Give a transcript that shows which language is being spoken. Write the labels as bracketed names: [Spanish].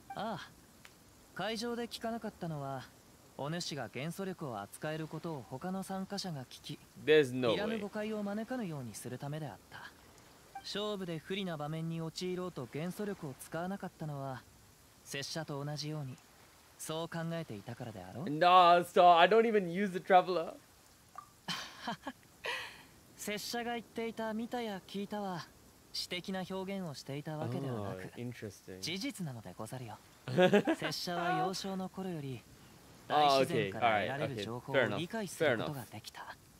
[Japanese] Ah, 会場で聞かなかったのは、お主が元素力を扱えることを他の参加者が聞き、 [English] There's no way. [Japanese] いらぬ誤解を招かぬようにするためであった。勝負で不利な場面に陥ろうと元素力を使わなかったのは、拙者と同じように、そう考えていたからであろう。 [English] No, so I don't even use the Traveler. [Japanese] 拙者が言っていた見たや聞いたは、私的な表現をしていたわけではなく、事実なのでござるよ。拙者は幼少の頃より、大自然から得られる情報を理解することができた。